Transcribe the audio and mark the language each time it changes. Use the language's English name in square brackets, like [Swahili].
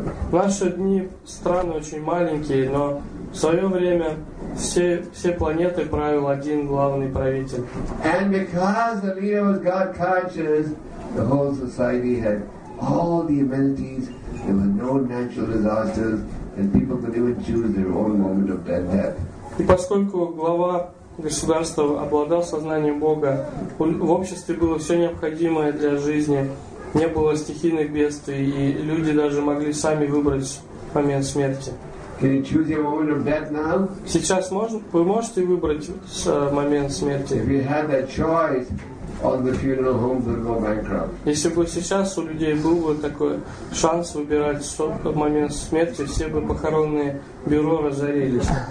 [Russian] В наши дни страны очень маленькие, но в свое время все планеты правил один главный правитель. [English] And because the leader was God conscious, the whole society had all the amenities. There were no natural disasters, and people could even choose their own moment of death. [Russian] И поскольку глава государства обладал сознанием Бога, в обществе было все необходимое для жизни. Не было стихийных бедствий, и люди даже могли сами выбрать момент смерти. [English] Can you choose your moment of death now? [Russian] Сейчас вы можете выбрать момент смерти? [English] If you had that choice, all the funeral homes would go bankrupt. [Russian] Если бы сейчас у людей был бы такой шанс выбирать момент смерти, все бы похоронные бюро разорились.